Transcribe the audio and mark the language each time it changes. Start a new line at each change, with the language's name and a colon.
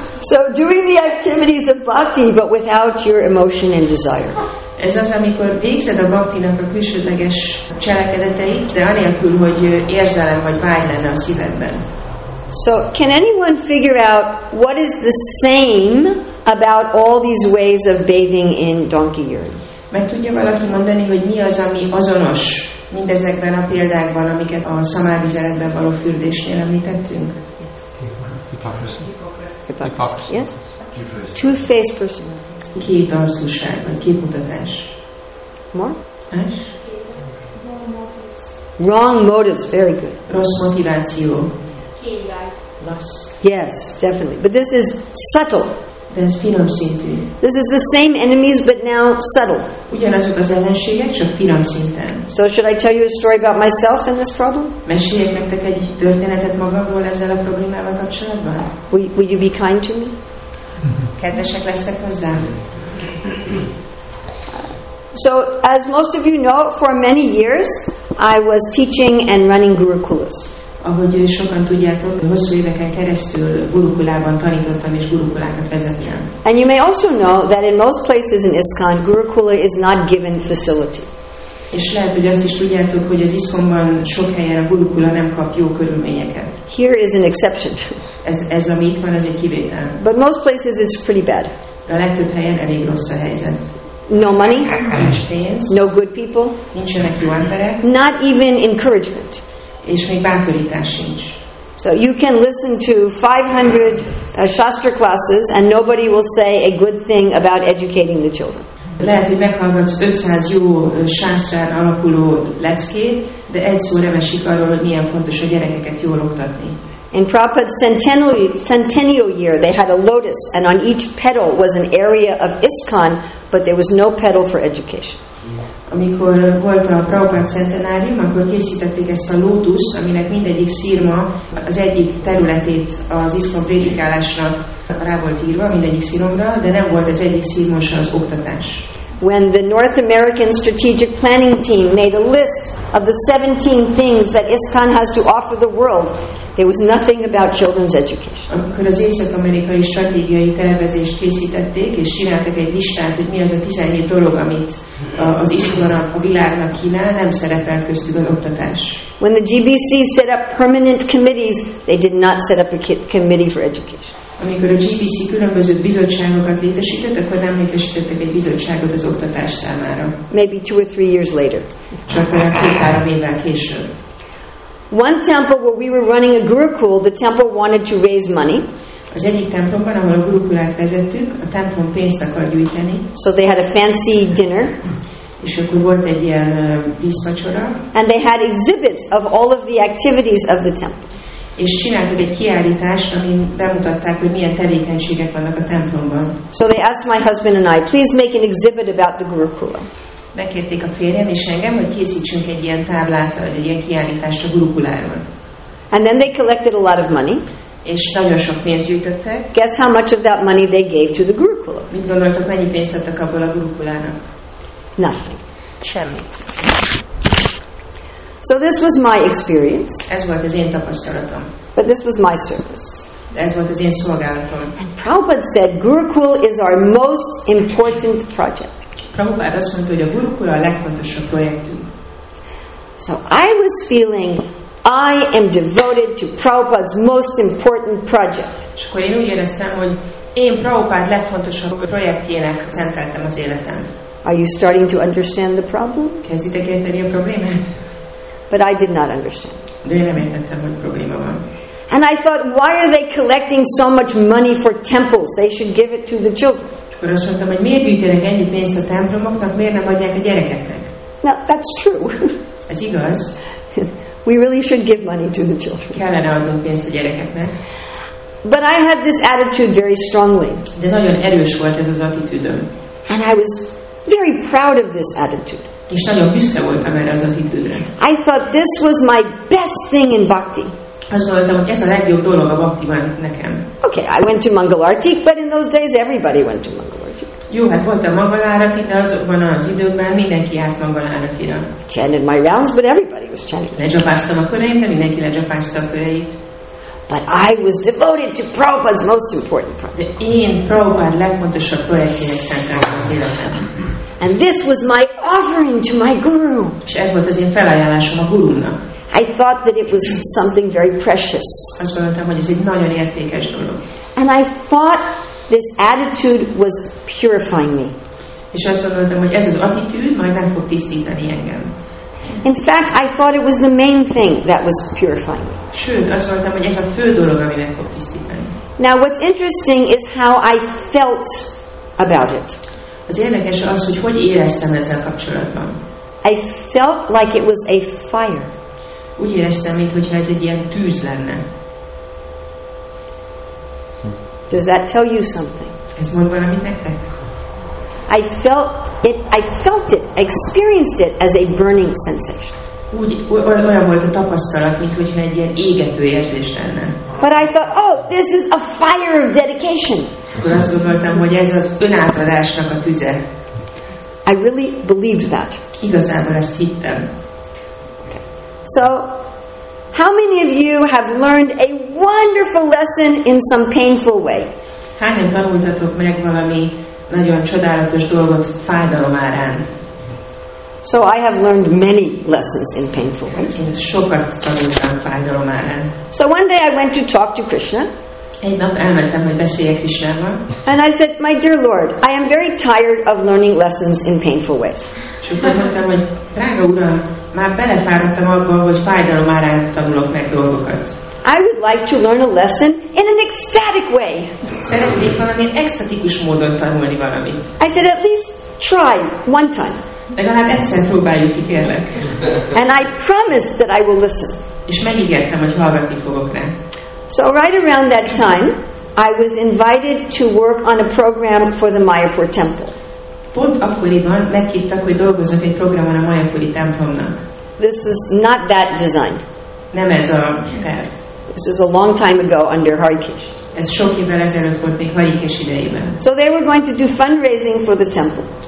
English: So doing the activities of bhakti, but without your emotion and desire.
Hungarian: Ez az, amikor végzed a bhaktinak a külsődleges cselekedeteit, de anélkül, hogy érzelem vagy vágy lenne a szívedben.
English: So, can anyone figure out what is the same about all these ways of bathing in donkey urine?
Hungarian: Meg tudja valaki mondani, hogy mi az, ami azonos mindezekben a példákban, amiket a szamávizeletben való fürdésnél említettünk?
English: Hipokrisi. Yes. Two-faced person.
Hungarian: Két arcúság, vagy képmutatás.
English: More?
Hungarian: Más?
English: Wrong motives. Very good.
Hungarian: Rossz motiváció.
English: Lust. Yes, definitely. But this is subtle.
Hungarian: De ez finom szintű.
English: This is the same enemies, but now subtle.
Hungarian: Ugyanazok az ellenségek, csak finom szinten.
English: So should I tell you a story about myself and this problem?
Hungarian: Meséljek nektek egy történetet magamról ezzel a problémával kapcsolatban?
English: Will you be kind to me?
Hungarian: Kedvesek lesztek hozzám?
English: So, as most of you know, for many years I was teaching and running gurukulas.
Hungarian: Ahogy sokan tudjátok, hosszú éveken keresztül gurukulában tanítottam és gurukulákat vezettem.
English: And you may also know that in most places in ISKCON, gurukula is not given facility.
Hungarian: És lehet, hogy azt is tudjátok, hogy az ISKCON-ban sok helyen a gurukula nem kap jó körülményeket.
English: Here is an exception.
Hungarian: Ez ami itt van, az egy kivétel.
English: But most places it's pretty bad.
Hungarian: De a legtöbb helyen elég rossz a helyzet.
English: No money,
Hungarian: nincs pénz,
English: no good people,
Hungarian: nincsenek jó emberek,
English: not even encouragement,
Hungarian: és még bátorítás sincs.
English: So you can listen to 500 Shastra classes and nobody will say a good thing about educating the children.
Hungarian: Lehet, hogy meghallgatsz 500 jó sásztrán alakuló leckét, de egy szó nem esik arról, hogy milyen fontos a gyerekeket jól oktatni.
English: In Prabhupada's centennial year, they had a lotus, and on each petal was an area of ISKCON, but there was no petal for education.
Hungarian: Amikor volt a Prabhupada centenárium, akkor készítették ezt a lótusz, aminek mindegyik szirma az egyik területét az ISKCON prédikálásra rá volt írva, mindegyik szirmára, de nem volt az egyik szirma se az oktatás.
English: When the North American Strategic Planning Team made a list of the 17 things that ISKCON has to offer the world, there was nothing about children's education.
Hungarian: Amikor az észak-amerikai stratégiai tervezést készítették, és csináltak egy listát, hogy mi az a 17 dolog, amit az ISKCON a világnak kínál, nem szerepelt köztük az oktatás.
English: When the GBC set up permanent committees, they did not set up a committee for education.
Hungarian: Amikor a GBC különböző bizottságokat létesített, akkor nem létesítettek egy bizottságot az oktatás számára.
English: Maybe two or three years later.
Hungarian: Csak olyan 2-3 évvel később.
English: One temple where we were running a gurukul, the temple wanted to raise money.
Hungarian: Az egyik templomban, ahol a gurukulát vezettük, a templom pénzt akar gyűjteni.
English: So they had a fancy dinner.
Hungarian: És akkor volt egy ilyen díszvacsora.
English: And they had exhibits of all of the activities of the temple.
Hungarian: És csináltak egy kiállítást, amin bemutatták, hogy milyen tevékenységek vannak a templomban.
English: So they asked my husband and I, please make an exhibit about the gurukula.
Hungarian: Megkérték a férjem és engem, hogy készítsünk egy ilyen táblát, egy ilyen kiállítást a gurukuláról.
English: And then they collected a lot of money.
Hungarian: És nagyon sok pénzt gyűjtöttek.
English: Guess how much of that money they gave to the gurukula?
Hungarian: Mit gondoltok, mennyi pénzt adtak abból a gurukulának?
English: Nothing.
Hungarian: Semmit.
English: So this was my experience.
Hungarian: Ez volt az én tapasztalatom.
English: But this was my service.
Hungarian: Ez volt az én szolgálatom.
English: And Prabhupada said, Gurukul is our most important project.
Hungarian: Prabhupada azt mondta, hogy a Gurukul a legfontosabb projektünk.
English: So I was feeling, I am devoted to Prabhupada's most important project.
Hungarian: És akkor én úgy éreztem, hogy én Prabhupada legfontosabb projektjének szenteltem az életem.
English: Are you starting to understand the problem?
Hungarian: Kezditek érteni a problémát?
English: But I did not understand.
Hungarian: De én nem értettem, hogy probléma van.
English: And I thought, why are they collecting so much money for temples? They should give it to the children.
Hungarian: Akkor azt mondtam, hogy miért gyűjtenek ennyi pénzt a templomoknak, miért nem adják a gyerekeknek?
English: Now, that's true.
Hungarian: Ez igaz.
English: We really should give money to the children.
Hungarian: Kellene adnunk pénzt a gyerekeknek.
English: But I had this attitude very strongly.
Hungarian: De nagyon erős volt ez az attitűdöm.
English: And I was very proud of this attitude.
Hungarian: És nagyon büszke voltam erre az attitűdre.
English: I thought this was my best thing in bhakti.
Hungarian: Azt gondoltam, hogy ez a legjobb dolog a bhaktiban nekem.
English: Okay, I went to Mangalartik, but in those days everybody went to Mangalartik.
Hungarian: Jó, hát voltam Mangalartik, de azokban az időkben mindenki járt Mangalartira.
English: Chanted my rounds, but everybody was chanting.
Hungarian: Lejapáztam a köreim, de mindenki lejapázta a köreit.
English: But I was devoted to Prabhupada's most important project.
Hungarian: De én Prabhupada legfontosabb projektjének szentáltam az életem.
English: And this was my offering to my guru.
Hungarian: És ez volt az én felajánlásom a gurumnak.
English: I thought that it was something very precious.
Hungarian: Azt gondoltam, hogy ez egy nagyon értékes dolog.
English: And I thought this attitude was purifying me.
Hungarian: És azt gondoltam, hogy ez az attitűd majd meg fog tisztítani engem.
English: In fact, I thought it was the main thing that was purifying me.
Hungarian: Sőt, azt gondoltam, hogy ez a fő dolog, ami meg fog tisztítani.
English: Now what's interesting is how I felt about it.
Hungarian: Az érdekes az, hogy hogy éreztem ezzel kapcsolatban.
English: I felt like it was a fire.
Hungarian: Úgy éreztem, mintha ez egy ilyen tűz lenne.
English: Does that tell you something?
Hungarian: Ez mond valamit nektek?
English: I felt it, experienced it as a burning sensation.
Hungarian: Olyan volt a tapasztalat, mint hogyha egy ilyen égető érzés lenne.
English: But I thought, oh, this is a fire of dedication.
Hungarian: Akkor azt gondoltam, hogy ez az önátadásnak a tüze.
English: I really believed that.
Hungarian: Igazából ezt hittem.
English: Okay. So, how many of you have learned a wonderful lesson in some painful way?
Hungarian: Hányan tanultatok meg valami nagyon csodálatos dolgot fájdalom árán?
English: So I have learned many lessons in painful ways.
Hungarian: Sokat tanultam fájdalom árán.
English: So one day I went to talk to Krishna.
Hungarian: Egy nap elmentem, hogy beszéljek Krishnával.
English: And I said, my dear Lord, I am very tired of learning lessons in painful ways.
Hungarian: És akkor mondtam, hogy drága uram, már belefáradtam abba, hogy fájdalom árán tanulok meg dolgokat.
English: I would like to learn a lesson in an ecstatic way.
Hungarian: Szeretnék valami ecstatikus módon tanulni valamit.
English: I said, at least try one time.
Hungarian: Legalább egyszer próbáljuk ki, kérlek.
English: And I promised that I will listen.
Hungarian: És megígértem, hogy hallgatni fogok rá.
English: So right around that time, I was invited to work on a program for the Mayapur temple.
Hungarian: Pont akkoriban meghívtak, hogy dolgozzak egy programon a Mayapuri templomnak.
English: This is not that design.
Hungarian: Nem ez a terv.
English: This is a long time ago under Harikesh.
Hungarian: Ez sok évvel ezelőtt volt, még Harikesh idejében.
English: So they were going to do fundraising for the temple.